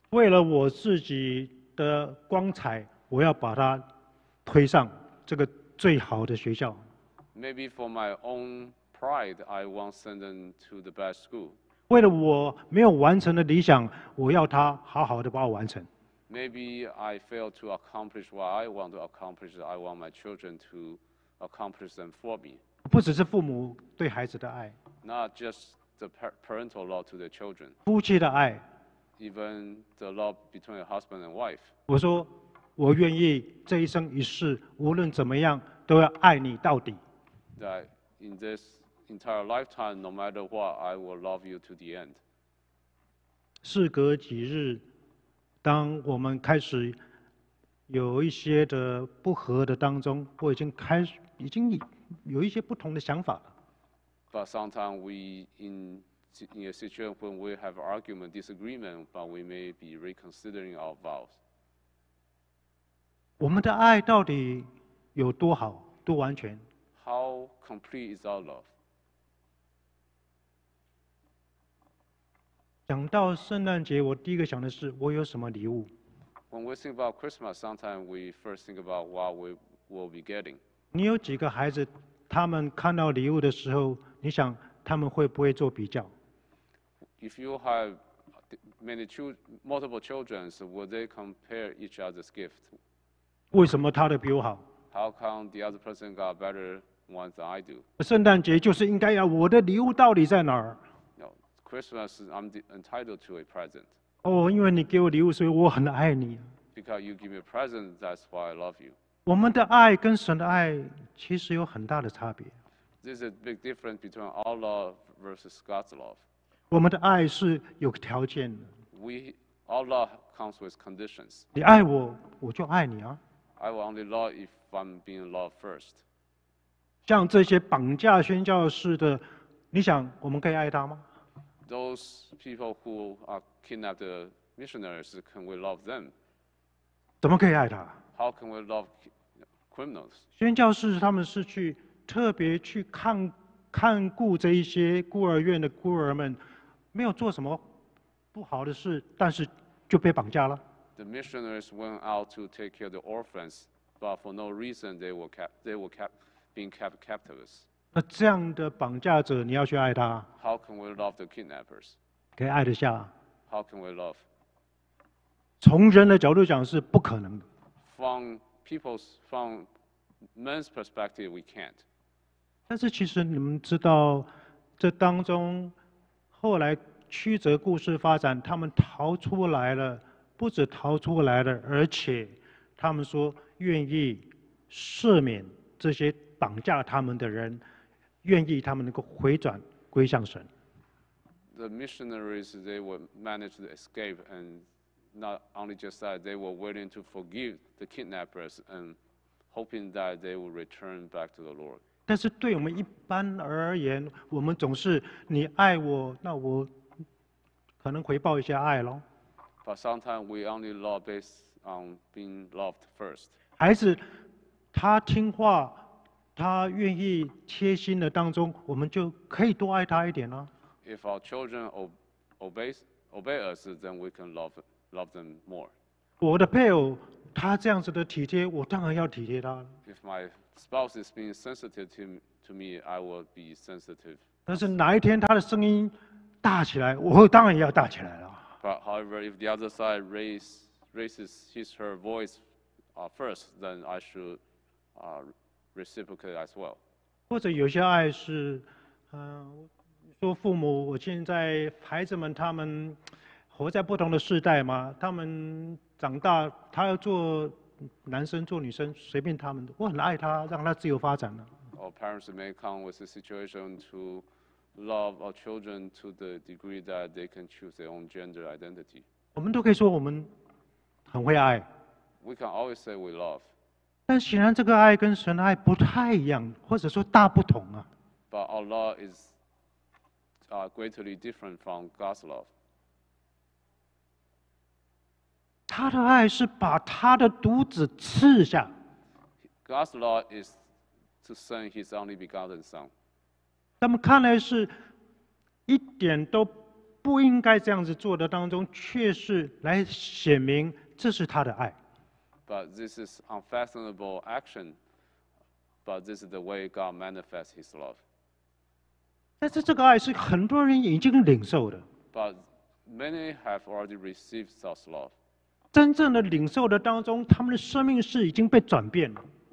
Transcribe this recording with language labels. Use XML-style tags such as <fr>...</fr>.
<zh>为了我自己的光彩，我要把它推上这个最好的学校。</zh> <en>Maybe for my own pride, I want to send them to the best school.</en> <zh>为了我没有完成的理想，我要他好好的把我完成。</zh> <en>Maybe I fail to accomplish what I want to accomplish. I want my children to accomplish them for me.</en> <zh>不只是父母对孩子的爱。</zh> <en>Not just the parental love to the children.</en> <zh>夫妻的爱。</zh> <en>Even the love between a husband and wife.</en> <zh>我说，我愿意这一生一世，无论怎么样，都要爱你到底。</zh> <en>That in this entire lifetime, no matter what, I will love you to the end.</en> <zh>事隔几日。当我们开始有一些的不和的当中，我已经开始已经有一些不同的想法了。</zh> <en>But sometimes we in a situation when we have argument disagreement, but we may be reconsidering our vows.</en> <zh>我们的爱到底有多好，多完全</zh> <en>？How complete is our love?</en> <zh>想到圣诞节，我第一个想的是我有什么礼物。</zh> <en>When we think about Christmas, sometimes we first think about what we will be getting.</en> <zh>你有几个孩子，他们看到礼物的时候，你想他们会不会做比较</zh> <en>？If you have many children, multiple children, so will they compare each other's gift?</en> <zh>为什么他的比我好</zh> <en>？How come the other person got better ones than I do?</en> <zh>圣诞节就是应该要我的礼物到底在哪儿？</zh> <en>Christmas, I'm entitled to a present.</en> <zh>Oh, 因为你给我礼物，所以我很爱你。</zh> <en>Because you give me a present, that's why I love you.</en> <zh>我们的爱跟神的爱其实有很大的差别。</zh> <en>This is a big difference between our love versus God's love.</en> <zh>我们的爱是有条件的。</zh> <en>Our love comes with conditions.</en> <zh>你爱我，我就爱你啊。</zh> <en>I will only love if I'm being loved first.</en> <zh>像这些绑架宣教士的，你想我们可以爱他吗？</zh> <en>Those people who are kidnapped missionaries, can we love them?</en> <zh>怎么可以爱他？</zh> <en>How can we love criminals?</en> <zh>宣教士他们是去特别去看顾这一些孤儿院的孤儿们，没有做什么不好的事，但是就被绑架了。</zh> <en>The missionaries went out to take care of the orphans, but for no reason they were kept captives.</en> <zh>那这样的绑架者，你要去爱他</zh> <en>？How can we love the kidnappers？</en> <zh>可以爱得下</zh> <en>？How can we love？</en> <zh>从人的角度讲是不可能的。</zh> <en>From men's perspective, we can't.</en> <zh>但是其实你们知道，这当中后来曲折故事发展，他们逃出来了，不止逃出来了，而且他们说愿意赦免这些绑架他们的人。愿意他们能够回转归向神。</zh> <en>The missionaries they were managed to escape and not only just that they were willing to forgive the kidnappers and hoping that they will return back to the Lord.</en> <zh>但是对我们一般而言，我们总是你爱我，那我可能回报一些爱喽。</zh> <en>But sometimes we only love based on being loved first.</en> <zh>孩子，他听话。他愿意贴心的当中，我们就可以多爱他一点呢、啊。</zh> <en>If our children obey us, then we can love them more.</en> <zh>我的配偶他这样子的体贴，我当然要体贴他。</zh> <en>If my spouse is being sensitive to me, I will be sensitive.</en> <zh>但是哪一天他的声音大起来，我当然要大起来了。</zh> <en>But however, if the other side raises his/her voice first, then I should reciprocate as well.</en> <zh>或者有些爱是，说父母，我现在孩子们他们活在不同的世代嘛，他们长大，他要做男生做女生，随便他们，我很爱他，让他自由发展呢。</zh> <en>Our parents may come with a situation to love our children to the degree that they can choose their own gender identity.</en> <zh>我们都可以说我们很会爱。</zh> <en>We can always say we love.</en> <zh>但显然这个爱跟神的爱不太一样，或者说大不同啊。</zh> <en>But our love is greatly different from God's love.</en> <zh>他的爱是把他的独子赐下。</zh> <en>God's love is to send His only begotten Son.</en> <zh>他们看来是一点都不应该这样子做的当中，却是来显明这是他的爱。</zh> <en>But this is unfathomable action But this is the way God manifests His love.</en> <zh>但是这个爱是很多人已经领受的。</zh> <en>But many have already received such love.</en> <zh>真正的领受的当中，他们的生命是已经被转变了。</zh>